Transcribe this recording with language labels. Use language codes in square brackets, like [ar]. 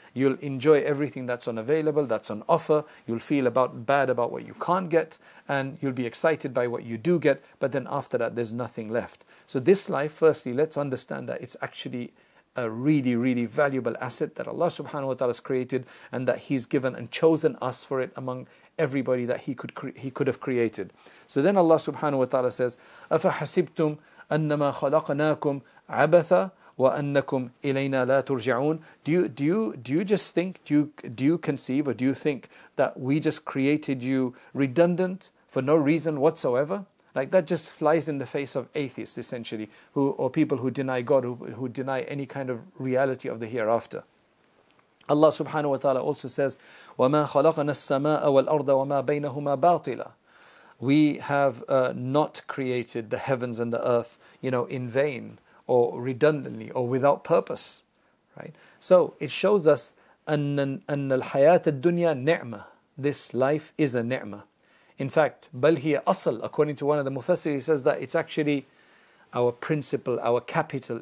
[en] You'll enjoy everything that's unavailable, that's on offer. You'll feel bad about what you can't get, and you'll be excited by what you do get, but then after that, there's nothing left. So this life, firstly, let's understand that it's actually a really, really valuable asset that Allah subhanahu wa ta'ala has created, and that He's given and chosen us for it among everybody that He could have created. So then Allah subhanahu wa ta'ala says, [ar] أَفَحَسِبْتُمْ أَنَّمَا خَلَقْنَاكُمْ عَبَثًا وَأَنَّكُمْ إِلَيْنَا لَا تُرْجِعُونَ. [en] Do you conceive or do you think that we just created you redundant for no reason whatsoever? Like, that just flies in the face of atheists, essentially, or people who deny God, who deny any kind of reality of the hereafter. Allah subhanahu wa ta'ala also says, [ar] وَمَا خَلَقَنَا السَّمَاءَ وَالْأَرْضَ وَمَا بَيْنَهُمَا بَاطِلًا. [en] We have not created the heavens and the earth, you know, in vain or redundantly or without purpose, right? So it shows us, [ar] أَنَّ الْحَيَاةَ الدُّنْيَا نِعْمَةً. [en] This life is a ni'mah. In fact, [ar] بَلْ هِيَ أَصَلْ, [en] according to one of the Mufassir, he says that it's actually our principle, our capital.